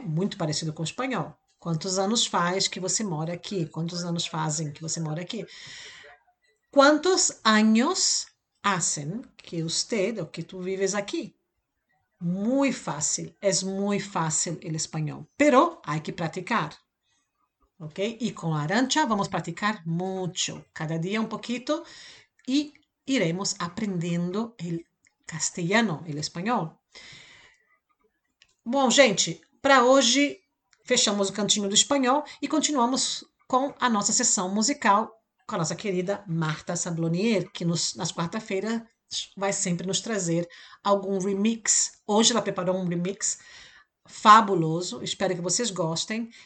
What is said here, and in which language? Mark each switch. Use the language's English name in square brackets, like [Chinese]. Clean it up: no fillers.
[Portuguese] Muito parecido com o espanhol. Quantos anos faz que você mora aqui? Quantos anos fazem que você mora aqui? [Spanish] Quantos anos hacen que usted o que tú vives aquí? Muy fácil, es muy fácil el español, pero hay que practicar. ¿Ok? Y con Arancha vamos a practicar mucho, cada día un poquito y iremos aprendiendo el castellano, el español. Bueno, gente, para hoy fechamos el cantinho do espanhol y continuamos con a nossa sessão musical. [Portuguese] Com a nossa querida Marta Sablonier, que nas quarta-feira vai sempre nos trazer algum remix. Hoje ela preparou um remix fabuloso, espero que vocês gostem.